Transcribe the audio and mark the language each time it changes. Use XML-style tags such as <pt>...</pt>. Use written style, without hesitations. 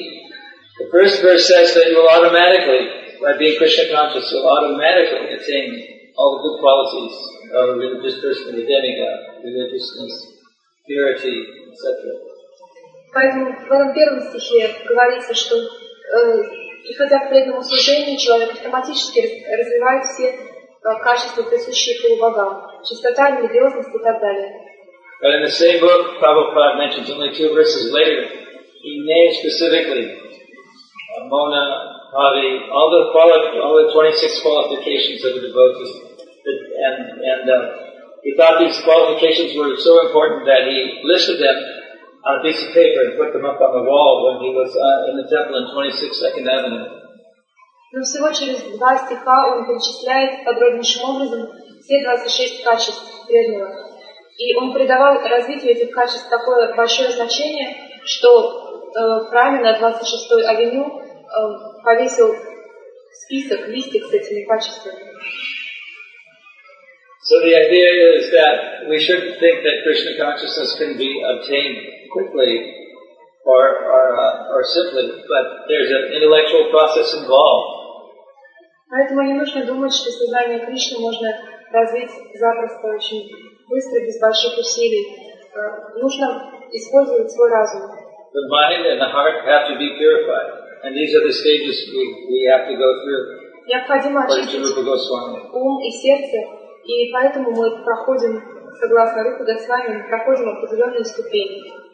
<en>The first verse says that you will automatically, by being Krishna conscious, you will automatically attain all the good qualities of a religious person, a demigod, religiousness, purity, etc.</en> <ru>Поэтому в этом первом стихе говорится, что приходя к преданному служению, человек автоматически развивает все качества, присущие к его богам, чистота, религиозность и так далее.</ru> <en>But in the same book, Prabhupada mentions only two verses later, he names specifically Mona, Pavi, all the 26 qualifications of the devotees. And he thought these qualifications were so important that he listed them on a piece of paper and put them up on the wall when he was in the temple in 26 Second Avenue.</en> <ru>Но всего через два стиха он перечисляет подробнейшим образом все 26 качеств преданного. И он придавал развитию этих качеств такое большое значение, что Прами на 26 Авеню повесил список, листик с этими качествами.</ru> <en>So the idea is that we shouldn't think that Krishna consciousness can be obtained quickly or simply, but there's an intellectual process involved.</en> <ru>Поэтому не нужно думать, что сознание Кришны можно развить запросто, очень быстро, без больших усилий. Нужно использовать свой разум.</ru> <en>The mind and the heart have to be purified. And these are the stages we have to go through.</en> <ru>Необходимо очистить ум и сердце, и поэтому мы проходим, согласно Рупа Госвами, мы проходим определенные ступени.</ru>